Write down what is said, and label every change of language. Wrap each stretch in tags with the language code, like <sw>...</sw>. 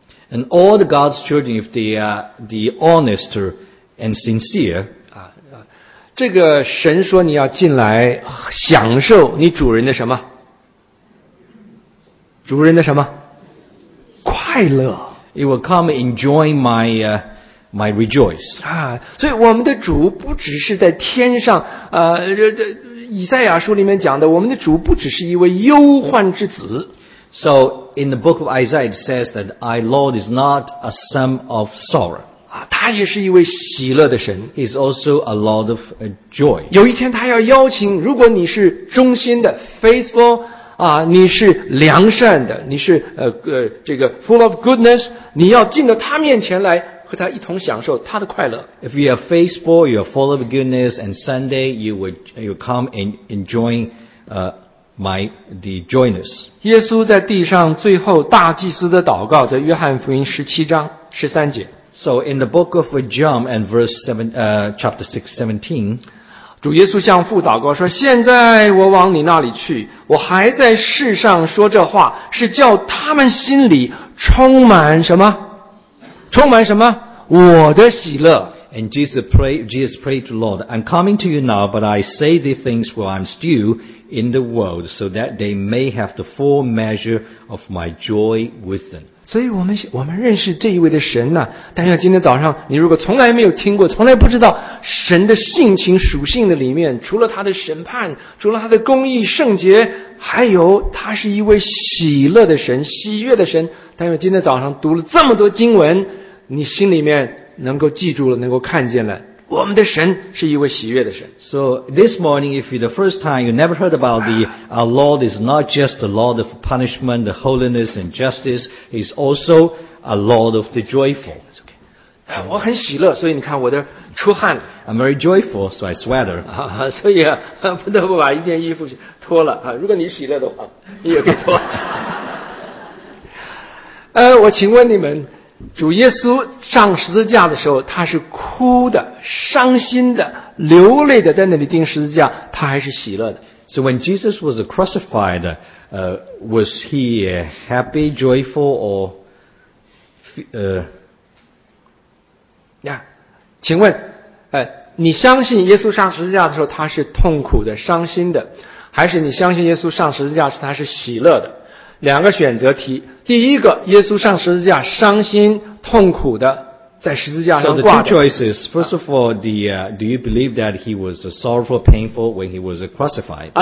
<en>And all the God's children, if they are the honest and sincere,</en> <zh>这个神说你要进来享受你主人的什么？主人的什么？快乐。</zh> <en>It will come and enjoy my rejoice.</en> <zh>所以我们的主不只是在天上，以赛亚书里面讲的，我们的主不只是一位忧患之子。</zh> <en>So, in the book of Isaiah, it says that our Lord is not a son of sorrow.</en> <zh>他也是一位喜乐的神。</zh> <en>He's also a Lord of joy.</en> <zh>有一天他要邀请，如果你是忠心的 ,</zh> <en>faithful,</en> <zh>你是良善的，你是这个</zh> <en>full of goodness,</en> <zh>你要进到他面前来和他一同享受他的快乐。</zh> <en>If you are faithful, you are full of goodness, and Sunday you come and enjoy, the joyness.</en> <zh>耶稣在地上最后大祭司的祷告，在约翰福音十七章十三节。</zh> <en>So in the book of John and verse chapter 6:17,</en> <zh>主耶稣向父祷告说：“现在我往你那里去，我还在世上说这话，是叫他们心里充满什么？充满什么？我的喜乐。”</zh> <en>And Jesus prayed to the Lord, "I'm coming to you now, but I say these things while I'm still." in the world so that they may have the full measure of my joy with them.</en> <zh>所以我们认识这一位的神呢、啊、但像今天早上你如果从来没有听过从来不知道神的性情属性的里面除了他的审判除了他的公义圣洁还有他是一位喜乐的神喜悦的神但像今天早上读了这么多经文你心里面能够记住了能够看见了我们的神是一位喜悦的神。</zh> <en>So this morning, if you're the first time, you never heard about our Lord is not just the Lord of punishment, the holiness and justice, He's also a Lord of the joyful. It's okay, it's okay.</en> <zh>我很喜乐，所以你看我的出汗。</zh> <en>I'm very joyful, so I sweater.</en> <zh>所以不得不把一件衣服脱了。如果你喜乐的话，你也可以脱。我请问你们。主耶稣上十字架的时候他是哭的伤心的流泪的在那里钉十字架他还是喜乐的。</zh> <en>So when Jesus was crucified, was he happy, joyful, or, yeah.</en> <zh>请问你相信耶稣上十字架的时候他是痛苦的伤心的还是你相信耶稣上十字架时他是喜乐的两个选择题第一个耶稣上十字架伤心痛苦的在十字架上挂</zh> <en>着 So the two choices, first of all, do you believe that he was sorrowful, painful when he was crucified?</en>